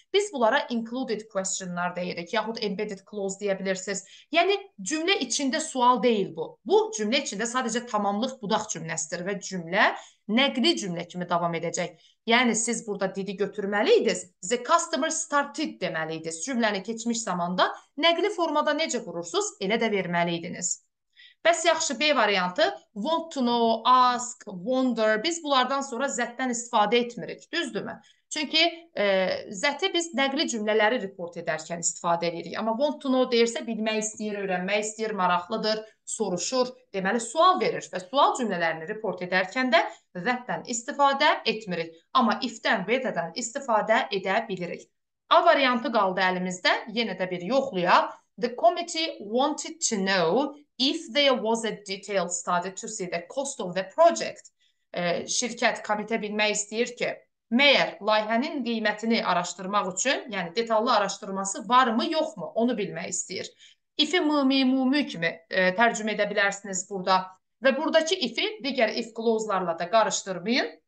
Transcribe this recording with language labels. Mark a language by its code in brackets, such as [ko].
[az] Biz bunlara included questionlar deyirik, yaxud [en] embedded clause [az] deyəbilirsiniz. Yəni cümlə içində sual deyil bu. Bu cümlə içində sadəcə tamamlıq budaq cümləsidir və cümlə nəqli cümlə kimi davam edəcək. Yəni siz burada did-i götürməliydiniz. [en] The customer started [az] deməliydiniz. Cümləni keçmiş zamanda nəqli formada necə qurursunuz, elə də verməliydiniz. Bəs yaxşı, B variantı, [en] want to know, ask, wonder. [az] Biz bunlardan sonra that-dən istifadə etmirik, düzdür mü? Çünki that-i biz nəqli cümlələri report edərkən istifadə edirik. Amma [en] want to know [az] deyirsə, bilmək istəyir, öyrənmək istəyir, maraqlıdır, soruşur. Deməli, sual verir və sual cümlələrini report edərkən də that-dən istifadə etmirik. Amma if-dən, whether-dən istifadə edə bilirik. A variantı qaldı əlimizdə, yenə də bir yoxlayaq. [en] The committee wanted to know if there was a detailed study to see the cost of the project. [az] Şirkət, komitə bilmək istəyir ki, məyər layihənin qiymətini araşdırmaq üçün, yəni detallı araşdırması var mı, yox mu, onu bilmək istəyir. If-i mumi kimi tərcümə edə bilərsiniz burada. Və buradakı if-i digər if clause-larla da qarışdırmayın.